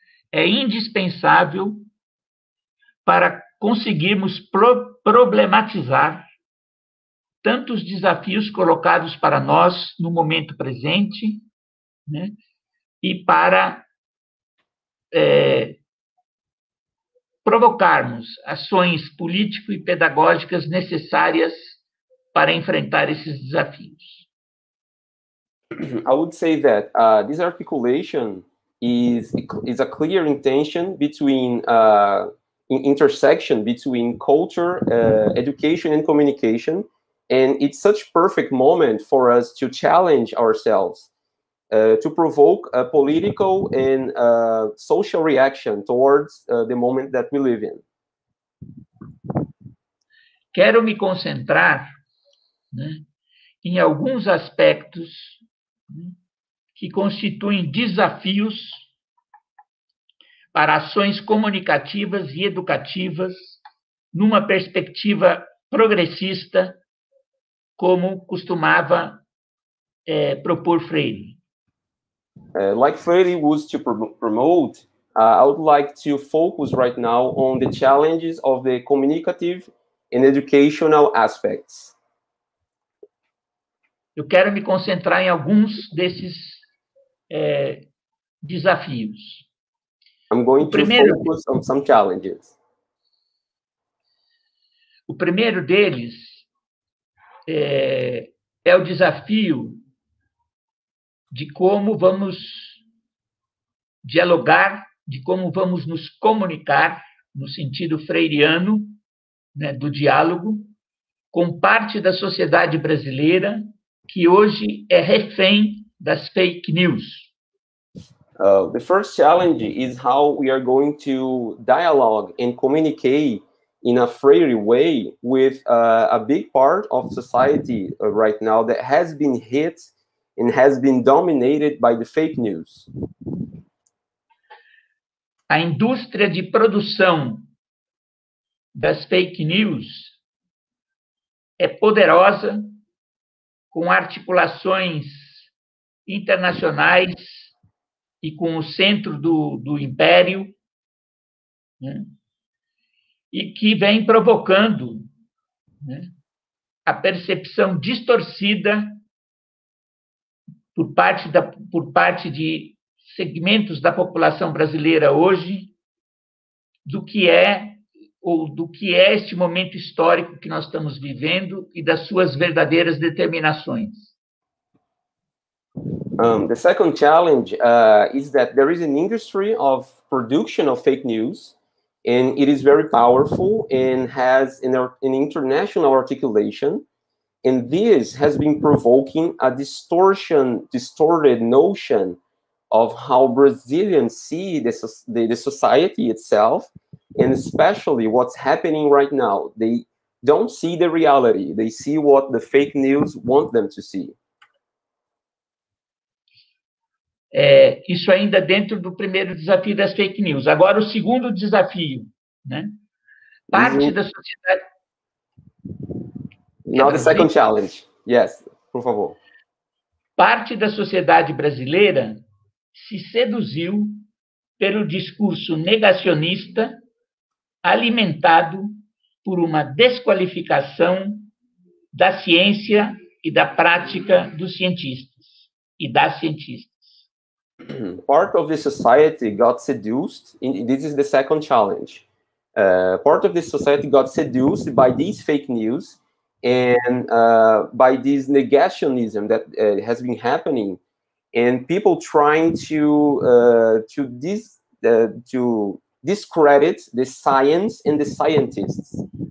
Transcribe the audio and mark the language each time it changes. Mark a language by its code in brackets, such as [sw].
[pt] é indispensável para conseguirmos problematizar tantos desafios colocados para nós no momento presente, né, e para provocarmos ações político e pedagógicas necessárias para enfrentar esses desafios. [en] I would say that this articulation is a clear intention between intersection between culture, education and communication, and it's such perfect moment for us to challenge ourselves, to provoke a political and social reaction towards the moment that we live in. [pt] Quero me concentrar, né, em alguns aspectos que constituem desafios para ações comunicativas e educativas numa perspectiva progressista, como costumava propor Freire. [en] Like Freire was to promote, I would like to focus right now on the challenges of the communicative and educational aspects. [pt] Eu quero me concentrar em alguns desses desafios. [en] I'm going to focus on some challenges. [pt] O primeiro deles é o desafio de como vamos dialogar, de como vamos nos comunicar, no sentido freiriano, né, do diálogo, com parte da sociedade brasileira que hoje é refém das fake news. [en] The first challenge is how we are going to dialogue and communicate in a Freire way with a big part of society right now that has been hit and has been dominated by the fake news. [pt] A indústria de produção das fake news é poderosa, com articulações internacionais e com o centro do império, né, e que vem provocando, né, a percepção distorcida por parte de segmentos da população brasileira hoje do que é este momento histórico que nós estamos vivendo e das suas verdadeiras determinações. [en] The second challenge is that there is an industry of production of fake news, and it is very powerful and has an international articulation. And this has been provoking a distorted notion of how Brazilians see the society itself, and especially what's happening right now. They don't see the reality. They see what the fake news want them to see. [pt] isso ainda dentro do primeiro desafio das fake news. Agora, o segundo desafio, né? Parte da sociedade... [en] Now the second challenge. Yes, [pt] por favor. Parte da sociedade brasileira se seduziu pelo discurso negacionista alimentado por uma desqualificação da ciência e da prática dos cientistas e das cientistas. [en] Part of the society got seduced, and this is the second challenge. Part of the society got seduced by these fake news and by this negationism that has been happening, and people trying to discredit the science and the scientists.